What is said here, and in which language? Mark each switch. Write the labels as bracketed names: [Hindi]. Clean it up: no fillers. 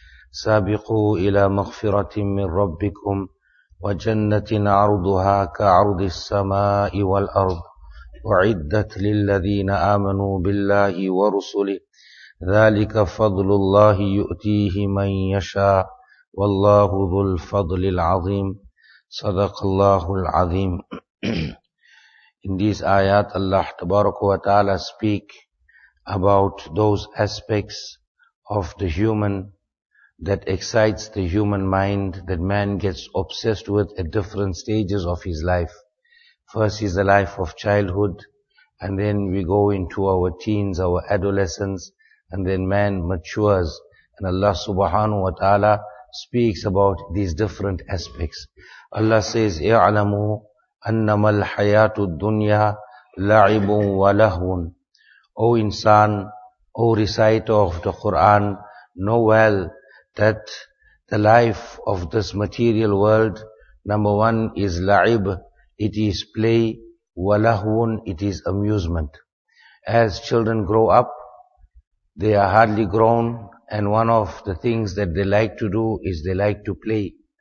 [Arabic] سابقوا إلى مغفرة من ربكم وجنة عرضها كعرض السماء والأرض أعدت للذين آمنوا بالله ورسله ذلك فضل الله يؤتيه من يشاء والله ذو الفضل العظيم Sadaqallahul Azim. [English] In these ayat, Allah Tabaraka wa Ta'ala speak about those aspects of the human that excites the human mind, that man gets obsessed with at different stages of his life. First is the life of childhood, and then we go into our teens, our adolescence, and then man matures. And Allah Subhanahu wa Ta'ala speaks about these different aspects. Allah says, [Arabic] اعلموا أنما الحياة الدنيا لعب ولهو. [English] O insan, O reciter of the Quran, know well that the life of this material world, number one, is لعب, it is play, ولهو, it is amusement. As children grow up, they are hardly grown, and one of the things that they like to do is they like to play.